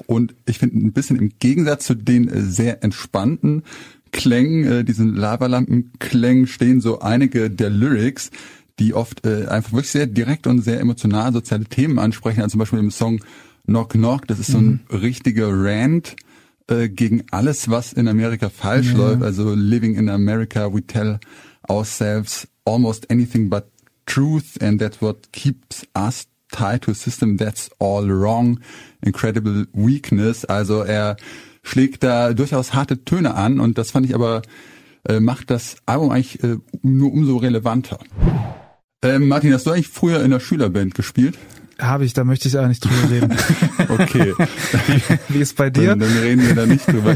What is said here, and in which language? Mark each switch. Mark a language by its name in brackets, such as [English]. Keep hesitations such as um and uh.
[German] Und ich finde ein bisschen im Gegensatz zu den äh, sehr entspannten Klängen, äh, diesen Lavalampenklängen, stehen so einige der Lyrics, die oft äh, einfach wirklich sehr direkt und sehr emotional soziale Themen ansprechen, also zum Beispiel im Song Knock Knock, das ist so ein mhm. richtiger Rant äh, gegen alles, was in Amerika falsch ja. läuft. [English] Also Living in America, we tell ourselves almost anything but truth and that's what keeps us tied to a system that's all wrong. Incredible weakness. [German] Also er schlägt da durchaus harte Töne an und das fand ich aber äh, macht das Album eigentlich äh, nur umso relevanter. Äh, Martin, hast du eigentlich früher in einer Schülerband gespielt? habe ich, da möchte ich auch nicht drüber reden. okay. Wie, wie ist bei dir? Dann, dann, reden wir da nicht drüber.